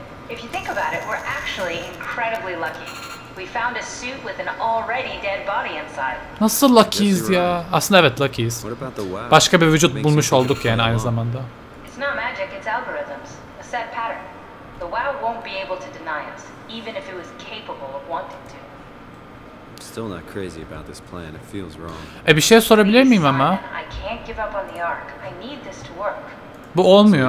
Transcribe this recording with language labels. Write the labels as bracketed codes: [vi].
[en] If you think about it, we're actually incredibly lucky. We found a suit with an already dead body inside. [tr] Nasıl luckyiz ya? Aslında evet, luckyiz. Başka bir vücut bulmuş olduk yani aynı zamanda. [en] It's not magic, it's algorithms. A set pattern. The wow won't be able to deny us, even if it was capable of wanting to. Still not crazy about this plan. It feels wrong. [tr] Bir şey sorabilir miyim ama? [en] I can't give up on the Ark. I need this to work. [tr] Bu olmuyor.